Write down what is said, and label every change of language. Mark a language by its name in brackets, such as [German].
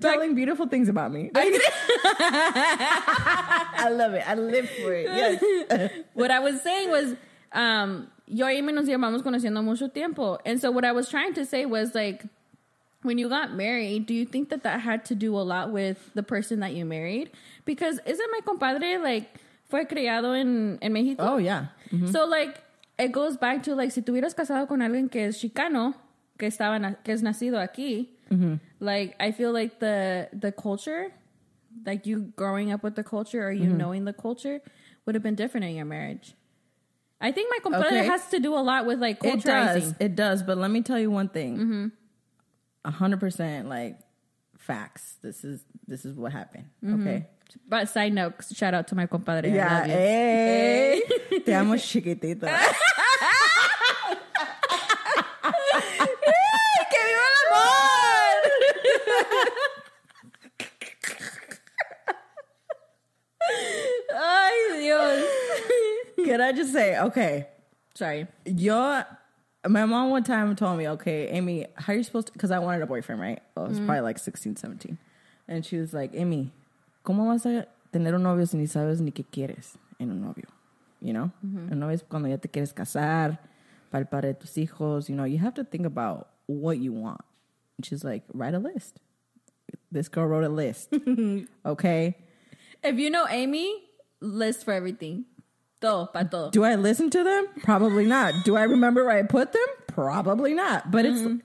[English] Telling beautiful things about me. I love it. I live for it. Yes. What I was saying was, [Spanish] yo y me nos llevamos conociendo mucho tiempo. [English] And so what I was trying to say was like, when you got married, do you think that that had to do a lot with the person that you married? Because isn't my compadre, like, [Spanish] fue criado en Mexico? [English] Oh, yeah. Mm-hmm. So, like, it goes back to, like, [Spanish] si tuvieras casado con alguien que es chicano, que es nacido aquí, mm-hmm. [English] like, I feel like the culture, like, you growing up with the culture or you mm-hmm. knowing the culture would have been different in your marriage. I think my compadre okay. has to do a lot with, like, culturizing. It does, but let me tell you one thing. Mm-hmm. 100% like facts. This is what happened. Mm-hmm. Okay. But side note, shout out to my compadre. Yeah. Hey. [Spanish] Te amo chiquitito. Hey, que viva el amor. Ay, Dios. [English] Can I just say, okay. Sorry. My mom one time told me, okay, Amy, how are you supposed to... Because I wanted a boyfriend, right? Well, I was probably like 16, 17. And she was like, Amy, [Spanish] ¿cómo vas a tener un novio si ni sabes ni qué quieres en un novio? [English] You know? Mm-hmm. [Spanish] Un novio es cuando ya te quieres casar, para el padre de tus hijos. [English] You know, you have to think about what you want. And she's like, write a list. This girl wrote a list. Okay? If you know Amy, list for everything. [Spanish] Todo, pa todo. [English] Do I listen to them? Probably not. Do I remember where I put them? Probably not. But mm-hmm.